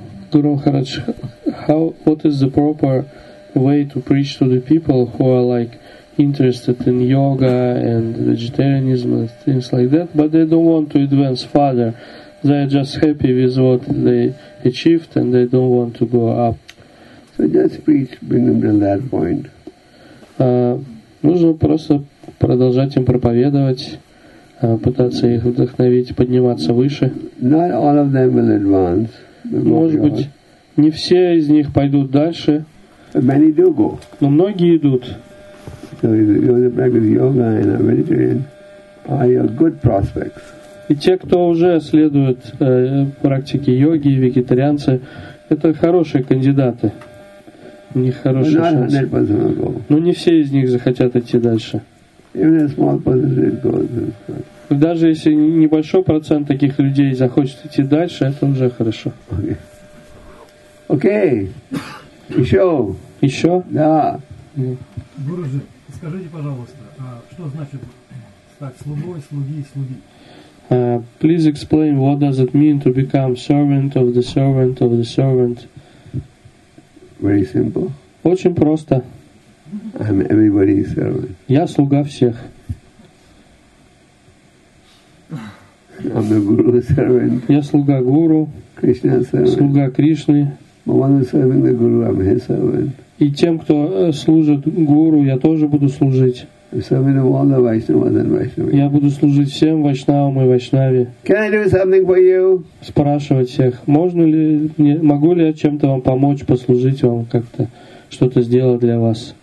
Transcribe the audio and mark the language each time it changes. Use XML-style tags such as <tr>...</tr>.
<en>Guru Maharaj, what is the proper way to preach to the people who are like interested in yoga and vegetarianism and things like that, but they don't want to advance further? They are just happy with what they achieved and they don't want to go up. So just preach, bring them to that point.</en> <ru>Нужно просто продолжать им проповедовать, пытаться их вдохновить, подниматься выше.</ru> <en>Not all of them will advance.</en> <ru>Может быть, не все из них пойдут дальше.</ru> <en>Many do go.</en> <ru>Но многие идут.</ru> <en>So you do practice yoga and meditation are your good prospects.</en> <ru>И те, кто уже следует практике йоги, вегетарианцы, это хорошие кандидаты. У них хорошие шансы.</ru> <en>Not 100% will go.</en> <ru>Но не все из них захотят идти дальше.</ru> <en>Even a small percentage goes.</en> <ru>Даже если небольшой процент таких людей захочет идти дальше, это уже хорошо. Окей. Еще? Еще? Да. Гуруджи, скажите, пожалуйста, что значит стать слугой, слуги и слуги?</ru> <en>Please explain, what does it mean to become servant of the servant of the servant? Very simple.</en> <ru>Очень просто.</ru> <en>I'm everybody's servant.</en> <ru>Я слуга всех.</ru> <en>I'm the guru servant.</en> <ru>Я слуга гуру.</ru> <en>Krishna servant.</en> <ru>Слуга Кришны.</ru> <en>The one who's serving the guru, I'm his servant.</en> <ru>И тем, кто служит гуру, я тоже буду служить.</ru> <en>I'm serving all the Vaishnavas and Vaishnavas.</en> <ru>Я буду служить всем Вайшнавам и Вайшнаве.</ru> <en>Can I do something for you?</en> <ru>Спрашивать всех, можно ли, могу ли я чем-то вам помочь, послужить вам как-то, что-то сделать для вас?</ru>